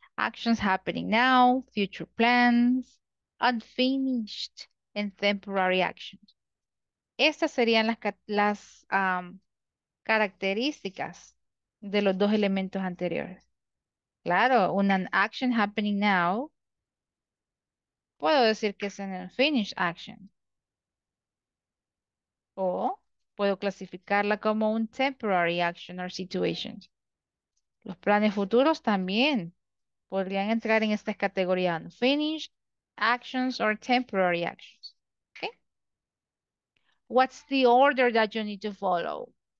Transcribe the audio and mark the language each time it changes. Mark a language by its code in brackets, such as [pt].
[en] Actions happening now, future plans, unfinished, and temporary actions. [es] Estas serían las características de los dos elementos anteriores. Claro, una [en] action happening now, [es] puedo decir que es [en] an unfinished action. [es] O puedo clasificarla como un [en] temporary action or situation. [es] Los planes futuros también podrían entrar en esta categoría [en] unfinished actions or temporary actions. Okay. What's the order that you need to follow?